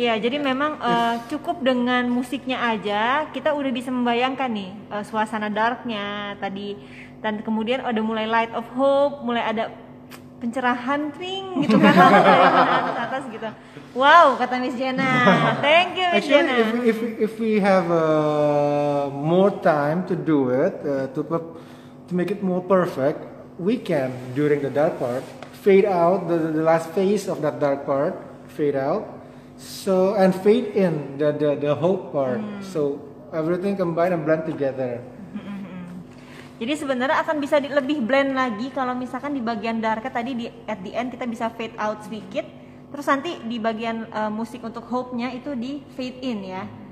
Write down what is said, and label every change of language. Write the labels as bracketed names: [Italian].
[Indonesian] Yeah, jadi memang cukup dengan musiknya aja kita udah bisa membayangkan nih suasana darknya tadi, dan kemudian ada mulai light of hope, mulai ada pencerahan ring gitu kan, dari atas gitu. [English] Wow, kata Miss Jenna. Thank you, Miss Jenna. If we have more time to do it, to make it more perfect, we can, during the dark part, fade out the last phase of that dark part, fade out, so, and fade in the hope part. So everything combined and blend together. [Indonesian] Jadi sebenarnya akan bisa lebih blend lagi kalau misalkan di bagian darknya tadi di [English] at the end [Indonesian] kita bisa fade out sedikit, terus nanti di bagian musik untuk hope-nya itu di fade in ya.